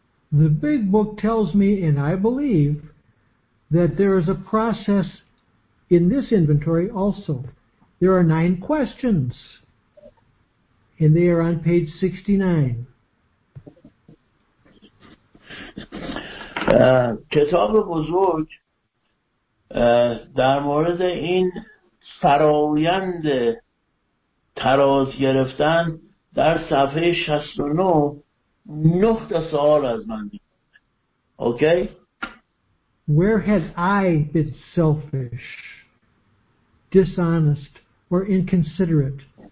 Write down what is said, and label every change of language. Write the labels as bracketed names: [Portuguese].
[English] The big book tells me, and I believe, that there is a process in this inventory also. There are 9 questions, and they are on page 69. [Persian] کتاب بزرگ در مورد این فرایند تراز گرفتن در صفحه 69 9 تا سوال از من می‌کنه. [English] Okay? Where had I been selfish, dishonest, or inconsiderate?